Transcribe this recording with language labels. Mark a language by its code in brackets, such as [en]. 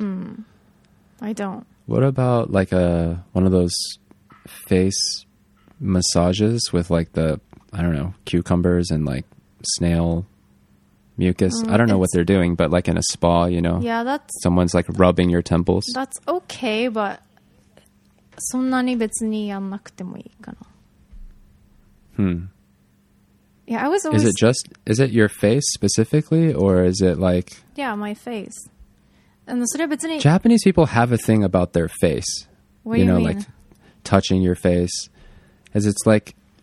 [en] Mm, I don't. What about like one of those face massages with like the, I don't know, cucumbers and like snail mucus? I don't know what they're doing, but like in a spa, you know? Yeah, that's... Someone's like rubbing your temples. That's okay, but... [ja] そんなに別にやんなくてもいいかな。 Hmm. [en] Yeah, I was always... Is it your face specifically, or is it like... Yeah, my face. And [ja] それは別に... [en] Japanese people have a thing about their face. What do you know, mean? Like touching your face. As it's like...